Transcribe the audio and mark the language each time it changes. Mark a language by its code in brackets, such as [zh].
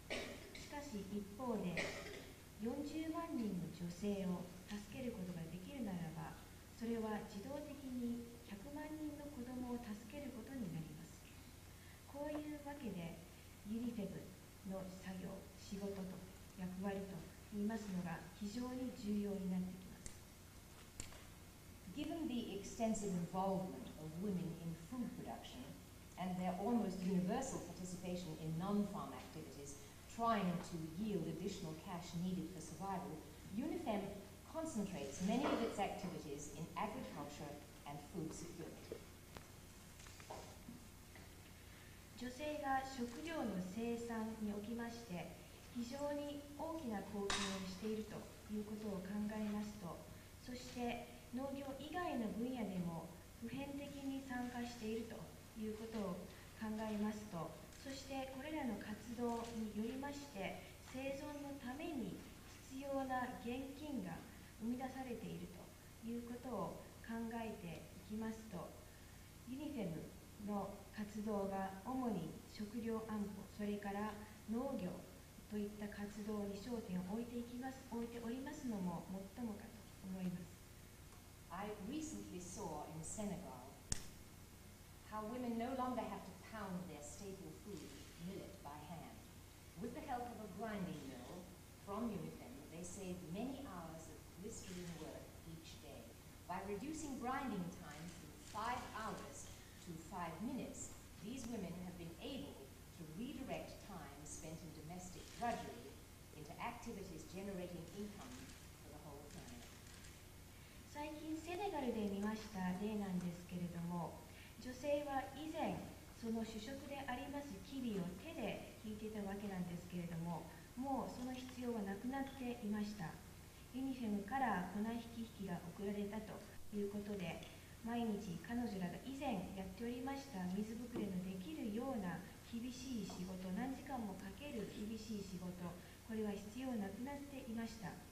[ja] しかし一方で40万人の女性を助けることができるならば、それは自動的に100万人の子どもを助けることになります。こういうわけでユニフェブの作業、仕事と役割といいますのが非常に重要になってきます。 [en] Given the extensive involvement of women in food production and their almost universal participation in non-farm activities trying to yield additional cash needed for survival, UNIFEM concentrates many of its activities in agriculture and food security. [ja] 女性が食料の生産におきまして非常に大きな貢献をしているということを考えますと、そして農業以外の分野でも普遍的に参加しているということを考えますと、そしてこれらの活動によりまして生存のために必要な現金が生み出されているということを考えていきますと、ユニフェムの活動が主に食料安保、それから農業といった活動に焦点を置いておりますのも最もかと思います。 [en] I recently saw in Senegal how women no longer have to pound their staple food, millet, by hand. With the help of a grinding mill from UNIFEM, they save many hours of listering work each day. By reducing grinding time from 5 hours to 5 minutes, these women have been able to redirect time spent in domestic drudgery into activities generating income for the whole family. [ja] 最近セネガルで見ました例なんですけれども、女性は以前その主食でありますキビを手で引いていたわけなんですけれども、もうその必要はなくなっていました。ユニフェムから粉引きが送られたということで、毎日彼女らが以前やっておりました水ぶくれのできるような厳しい仕事、何時間もかける厳しい仕事、これは必要なくなっていました。